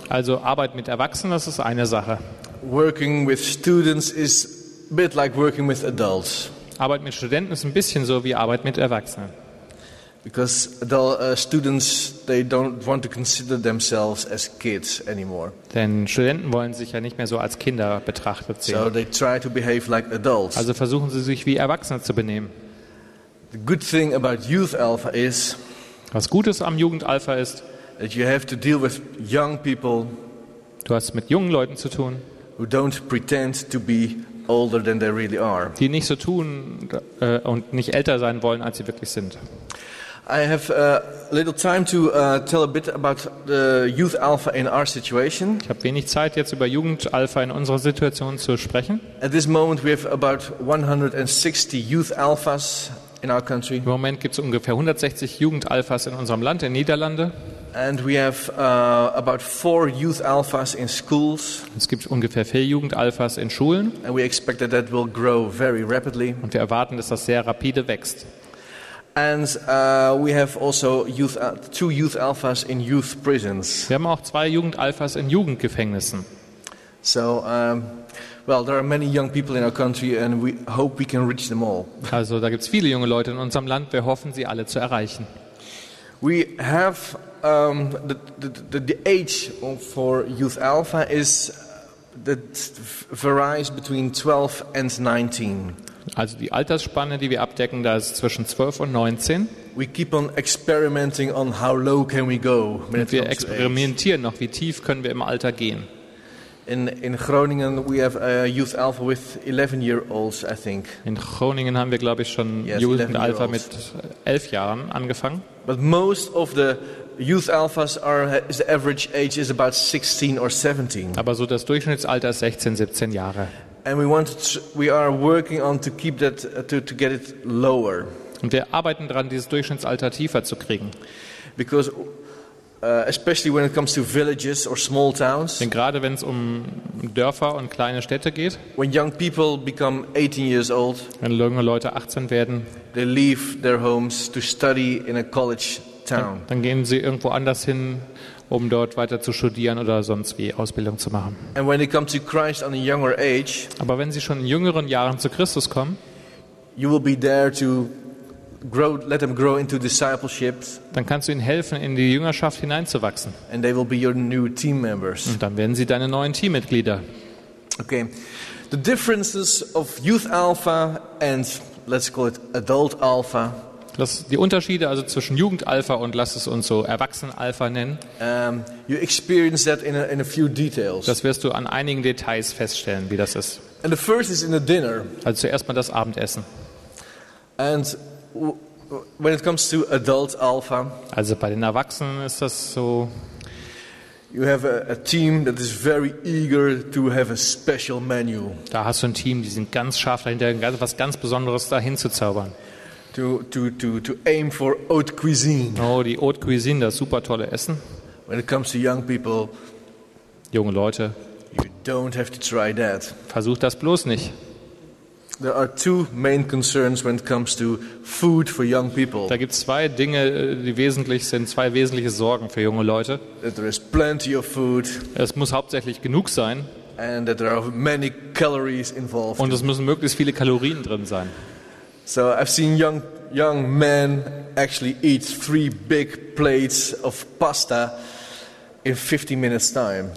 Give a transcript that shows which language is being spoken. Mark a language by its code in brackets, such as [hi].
[de] Also Arbeit mit Erwachsenen, das ist eine Sache. [en] Working with students is a bit like working with adults. [de] Arbeit mit Studenten ist ein bisschen so wie Arbeit mit Erwachsenen. [en] Because students, they don't want to consider themselves as kids anymore. [de] Denn Studenten wollen sich ja nicht mehr so als Kinder betrachtet sehen. [en] So they try to behave like adults. [de] Also versuchen sie sich wie Erwachsene zu benehmen. [en] The good thing about Youth Alpha is. [de] Was Gutes am Jugendalpha ist, [en] that you have to deal with young people, [de] du hast mit jungen Leuten zu tun, [en] who don't pretend to be older than they really are. [de] Die nicht so tun und nicht älter sein wollen, als sie wirklich sind. [en] I have a little time to tell a bit about the Youth Alpha in our situation. [de] Ich habe wenig Zeit jetzt über Jugendalpha in unserer Situation zu sprechen. [en] At this moment we have about 160 Youth Alphas. In our country. [de] Im Moment gibt es ungefähr 160 Jugendalphas in unserem Land, in Niederlande. [en] And we have about 4 youth alphas in schools. [de] Es gibt ungefähr 4 Jugendalphas in Schulen. [en] And we expect that that will grow very rapidly. [de] Und wir erwarten, dass das sehr rapide wächst. [en] And we have also 2 youth alphas in youth prisons. [de] Wir haben auch 2 Jugendalphas in Jugendgefängnissen. [en] So well, there are many young people in our country and we hope we can reach them all. [de] Also, da gibt's viele junge Leute in unserem Land, wir hoffen, sie alle zu erreichen. [en] We have the age for Youth Alpha is that varies between 12 and 19. [de] Also die Altersspanne, die wir abdecken, da ist zwischen 12 und 19. [en] We keep on experimenting on how low can we go. [de] Wir experimentieren noch, wie tief können wir im Alter gehen? [en] In Groningen we have a youth alpha with 11 year olds, I think. [de] In Groningen haben wir glaube ich schon Jugendalpha mit 11 Jahren angefangen. [en] But most of the youth alphas is the average age is about 16 or 17. [de] Aber so das Durchschnittsalter ist 16, 17 Jahre. [en] And we are working on to keep that to get it lower. [de] Und wir arbeiten dran, dieses Durchschnittsalter tiefer zu kriegen. [en] Because especially when it comes to villages or small towns. [de] Denn gerade wenn es um Dörfer und kleine Städte geht. [en] When young people become 18 years old. [de] Wenn junge Leute 18 werden. [en] They leave their homes to study in a college town. [de] Dann gehen sie irgendwo anders hin, um dort weiter zu studieren oder sonst wie Ausbildung zu machen. [en] And when they come to Christ on a younger age. [de] Aber wenn sie schon in jüngeren Jahren zu Christus kommen. [en] You will be there to grow, let them grow into discipleship. [de] Dann kannst du ihnen helfen, in die Jüngerschaft hineinzuwachsen. [en] And they will be your new team members. [de] Und dann werden sie deine neuen Teammitglieder. [en] Okay. The differences of youth alpha and let's call it adult alpha. [de] Die Unterschiede also zwischen Jugendalpha und lass es uns so Erwachsenenalpha nennen. [en] You experience that in a few details. [de] Das wirst du an einigen Details feststellen, wie das ist. [en] And the first is in the dinner. [de] Also zuerst mal das Abendessen. [en] And when it comes to adult alpha, [de] also bei den Erwachsenen ist das so. [en] You have a team that is very eager to have a special menu. [de] Da hast du ein Team, die sind ganz scharf dahinter, was ganz Besonderes dahin zu zaubern. [en] To aim for haute cuisine. [de] Oh, die haute cuisine, das super tolle Essen. [en] When it comes to young people, [de] junge Leute, [en] you Don't have to try that. [de] Versuch das bloß nicht. [en] There are two main concerns when it comes to food for young people. [de] Da gibt's zwei Dinge, die wesentlich sind, zwei wesentliche Sorgen für junge Leute. [en] That there is plenty of food. [de] Es muss hauptsächlich genug sein. [en] And that there are many calories involved. [de] Und es müssen möglichst viele Kalorien drin sein. [en] So I've seen young men actually eat 3 big plates of pasta in 50 minutes time.